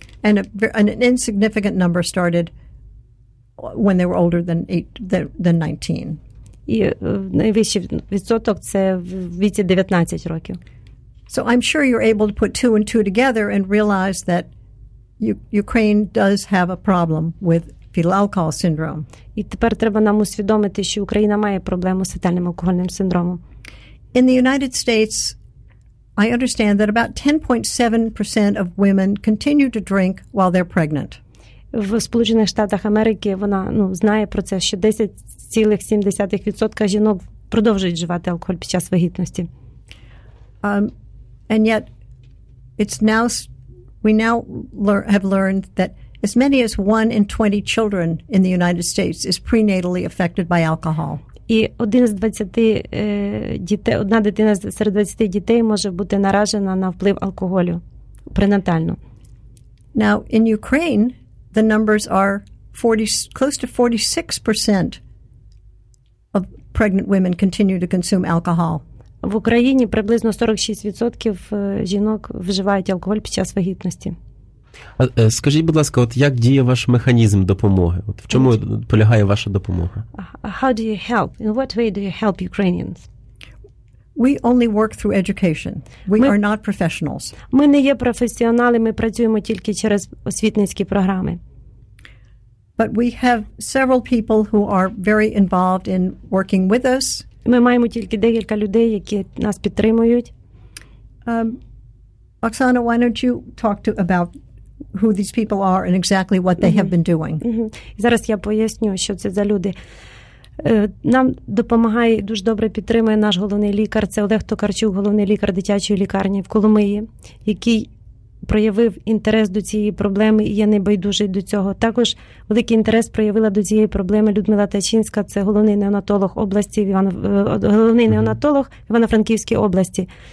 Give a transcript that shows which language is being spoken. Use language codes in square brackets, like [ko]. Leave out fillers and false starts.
[en] And an insignificant number started when they were older than 19. [uk] І найвищий відсоток це в віці 19 років. [en] So I'm sure you're able to put two and two together and realize that Ukraine does have a problem with fetal alcohol syndrome. [uk] І тепер треба нам усвідомити, що Україна має проблему з фетальним алкогольним синдромом. [en] In the United States, I understand that about 10.7% of women continue to drink while they're pregnant. [uk] В Сполучених Штатах Америки вона, знає про це, що 10.7% жінок продовжують вживати алкоголь під час вагітності. [en] And yet we now have learned that as many as 1 in 20 children in the United States is prenatally affected by alcohol. [uk] І одна дитина серед 20 дітей може бути наражена на вплив алкоголю пренатально. [en] Now in Ukraine the numbers are close to 46% of pregnant women continue to consume alcohol. [uk] В Україні приблизно 46% жінок вживають алкоголь під час вагітності. Скажіть, будь ласка, от як діє ваш механізм допомоги? От в чому полягає ваша допомога? [en] How do you help? In what way do you help Ukrainians? We only work through education. We are not professionals. [uk] Ми не є професіонали, ми працюємо тільки через освітницькі програми. [en] But we have several people who are very involved in working with us. [uk] Ми маємо тільки декілька людей, які нас підтримують. [en] Оксана, why don't you talk to about who these people are and exactly what they have been doing? [uk] Зараз я поясню, що це за люди. Нам допомагає, дуже добре підтримує наш головний лікар, це Олег Токарчук, головний лікар дитячої лікарні в Коломиї, який проявив інтерес до цієї проблеми і є небайдужий до цього. Також великий інтерес проявила до цієї проблеми Людмила Тачинська, це головний неонатолог області, неонатолог Івано-Франківській області.